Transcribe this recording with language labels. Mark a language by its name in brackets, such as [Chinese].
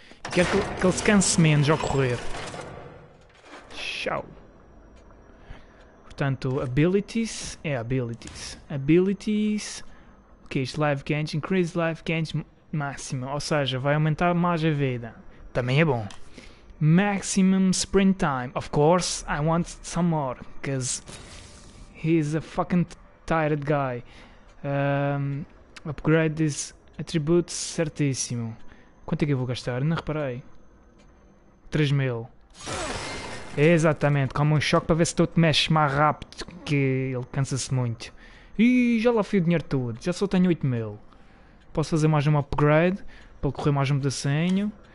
[Portuguese] Quero que ele se canse menos ao correr. Tchau. Portanto, abilities. É abilities. [English] Abilities. [Portuguese] O que é isto? [English] Life gauge. Increase life gauge máxima. [Portuguese] Ou seja, vai aumentar mais a vida. Também é bom. [English] Maximum sprint time. Of course, I want some more. Because he's a fucking tired guy. Upgrade this attribute [Portuguese] certíssimo. Quanto é que eu vou gastar? Não reparei. 3.000. Exatamente, como um choque para ver se tu te mexes mais rápido, que ele cansa-se muito. E já lá fui o dinheiro todo, já só tenho 8.000. Posso fazer mais um upgrade, para ele correr mais um pedacinho.